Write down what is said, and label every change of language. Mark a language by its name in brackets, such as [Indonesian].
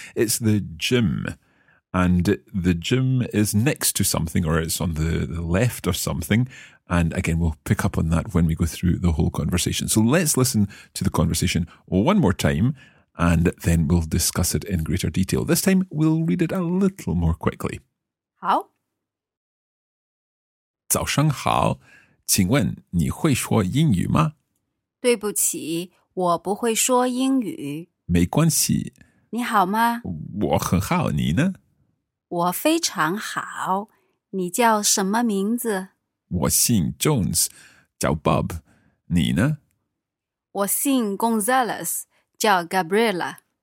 [English] It's the gym. And the gym is next to something, or it's on the left of something. And again, we'll pick up on that when we go through the whole conversation. So let's listen to the conversation one more time, and then we'll discuss it in greater detail. This time, we'll read it a little more quickly. [Chinese] 好。早上好, 请问你会说英语吗? 对不起, 我不会说英语。没关系。你好吗? 我很好, 你呢? 我非常好, 你叫什么名字? 我姓 Jones, 叫 Bob, 你呢? 我姓 Gonzalez, 叫 Gabriela。